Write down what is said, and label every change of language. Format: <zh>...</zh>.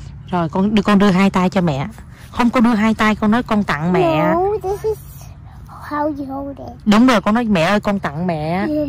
<vi>Rồi con đưa hai tay cho mẹ. Không có đưa hai tay, con nói con tặng mẹ.</vi> <en>No, this is how you hold it.</en> <vi>Đúng rồi, con nói mẹ ơi con tặng mẹ.</vi>